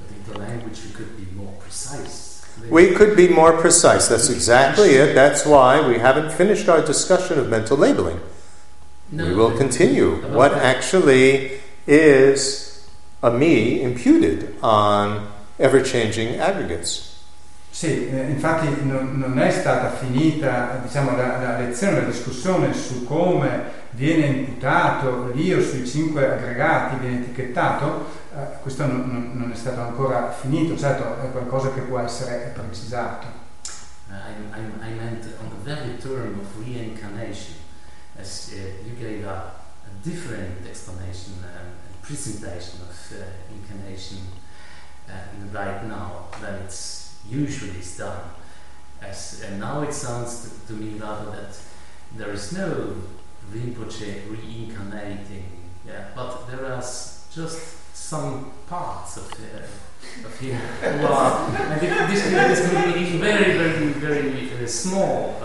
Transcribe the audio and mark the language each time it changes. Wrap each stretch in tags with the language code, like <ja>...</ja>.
<en>We could be more precise, that's exactly it, that's why we haven't finished our discussion of mental labeling. No, we will continue. What actually is a me imputed on ever-changing aggregates?</en> <it>Sì, infatti non è stata finita, diciamo, la lezione, la discussione su come viene imputato l'io sui cinque aggregati, viene etichettato, questo non è stato ancora finito, certo è qualcosa che può essere precisato.</it> <en>I meant on the very term of reincarnation, as you gave a different explanation and presentation of incarnation right now than it's usually done. And now it sounds to me rather that there is no Rinpoche reincarnating, but there are just some parts of him this is very, very, very small.</en>